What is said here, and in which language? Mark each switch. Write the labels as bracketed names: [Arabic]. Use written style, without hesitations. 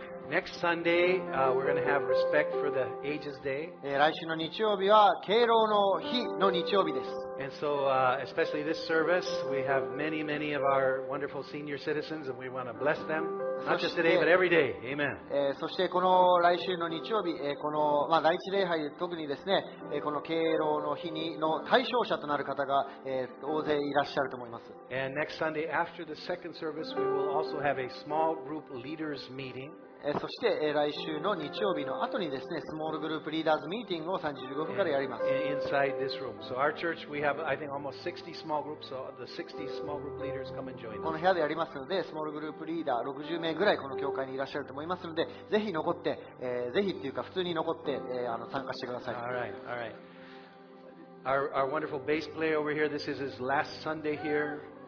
[English] Next Sunday, we're going to have respect for the ages day. [Japanese] 来週の日曜日は敬老の日の日曜日です。 [English] And so, especially this service, we have many, many of our wonderful senior citizens, and we want to bless them. Not just today, but every day. Amen. [Japanese] そしてこの来週の日曜日、この、まあ、第一礼拝特にですね、この敬老の日にの対象者となる方が、大勢いらっしゃると思います。 [English] And next Sunday, after the second service, we will also have a small group leaders meeting. [Japanese] そして来週の日曜日の後にですね、スモールグループリーダーズミーティングを3時15分からやります。 [English] Inside this room. So our church, we have, I think, almost 60 small groups. So the 60 small group leaders come and join us. [Japanese] この部屋でやりますので、スモールグループリーダー60名ぐらいこの教会にいらっしゃると思いますので、ぜひ残って、ぜひっていうか普通に残って、参加してください。 [English] All right, all right. Our wonderful bass player over here, this is his last Sunday here.